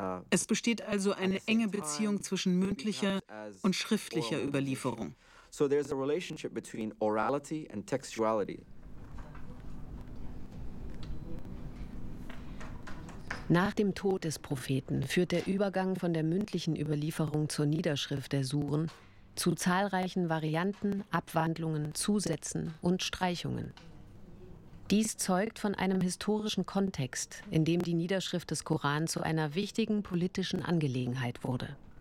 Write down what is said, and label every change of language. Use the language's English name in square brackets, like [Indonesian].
[German] Es besteht also eine enge Beziehung zwischen mündlicher und schriftlicher Überlieferung. [English] So there's a relationship between orality and textuality. [German] Nach dem Tod des Propheten führt der Übergang von der mündlichen Überlieferung zur Niederschrift der Suren zu zahlreichen Varianten, Abwandlungen, Zusätzen und Streichungen. Dies zeugt von einem historischen Kontext, in dem die Niederschrift des Koran zu einer wichtigen politischen Angelegenheit wurde.